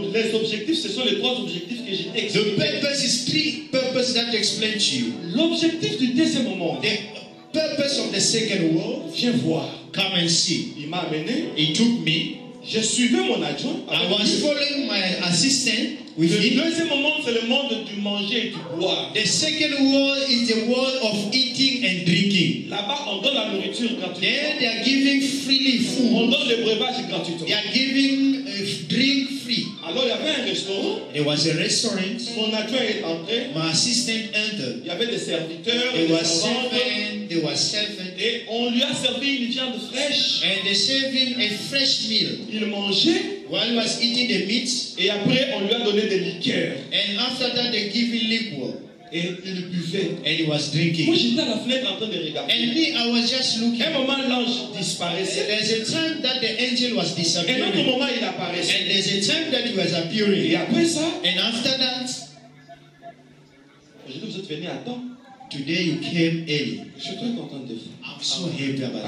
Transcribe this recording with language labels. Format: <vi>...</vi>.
<fr>Les objectifs, ce sont les trois objectifs que j'ai expliqués.</fr> <en>The purpose is three purposes that I explained to you.</en> <fr>L'objectif du deuxième moment.</fr> <en>The purpose of the second world.</en> <fr>Viens voir.</fr> <en>Come and see.</en> <fr>Il m'a amené.</fr> <en>He took me.</en> <fr>Je suivais mon adjoint.</fr> <en>I was following my assistant.</en> <fr>Le deuxième moment, c'est le monde du manger et du boire.</fr> <en>The second world is the world of eating and drinking.</en> <fr>Là-bas, on donne la nourriture gratuitement.</fr> <en>There they are giving freely food.</en> <fr>On donne les breuvages gratuitement.</fr> <en>They are giving drink free.</en> <fr>Alors, il y avait un restaurant.</fr> <en>There was a restaurant.</en> <fr>Mon adjoint est entré.</fr> <en>My assistant entered.</en> <fr>Il y avait des serviteurs.</fr> <en>There was servant. There was servant.</en> <fr>Et on lui a servi une viande fraîche.</fr> <en>And they served a fresh meal.</en> <fr>Il mangeait.</fr> <en>While he was eating the meat,</en> <fr>et après on lui a donné des liqueurs.</fr> <en>And after that they give him liquor.</en> <fr>Et il buvait.</fr> <en>And he was drinking.</en> <fr>Moi j'étais à la fenêtre en train de regarder.</fr> <en>And me, I was just looking.</en> <fr>Un moment l'ange disparaissait.</fr> <en>There's a time that the angel was disappearing.</en> <fr>Et un autre moment il apparaissait.</fr> <en>And there's a time that he was appearing.</en> <fr>Et après ça.</fr> <en>And after that.</en> <fr>Je dis vous êtes venu à temps.</fr> <en>Today you came early.</en> <fr>Je suis très content de vous.</fr> <en>I'm so happy about you.</en>